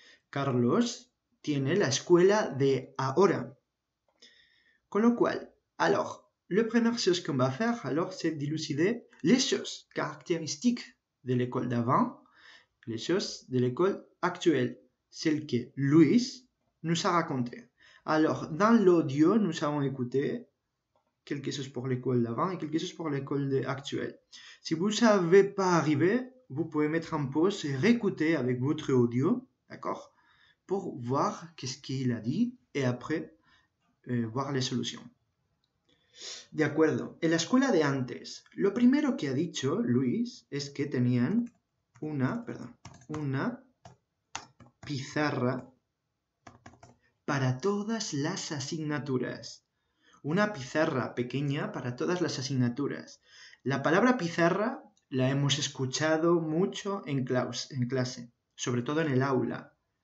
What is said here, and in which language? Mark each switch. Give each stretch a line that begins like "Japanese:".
Spanish: Carlos tiene la escuela de ahora. Con lo cual, alors, la primera cosa que vamos a hacer, alors, es dilucidar las cosas características de la escuela de avant, las cosas de la escuela actual,
French: celle que
Spanish: Luis nos ha contado.
French: Alors, dans l'audio, nous avons écouté quelque chose pour l'école d'avant et quelque chose pour l'école actuelle. Si vous ne savez pas arriver, vous pouvez mettre en pause et réécouter avec votre audio, d'accord, pour voir qu'est-ce qu'il a dit et après voir les solutions.
Spanish: De acuerdo. En la escuela de antes, lo primero que ha dicho Luis es que tenían una pizarra para todas las asignaturas. Una pizarra pequeña para todas las asignaturas. La palabra pizarra la hemos escuchado mucho en clase, sobre todo en el aula.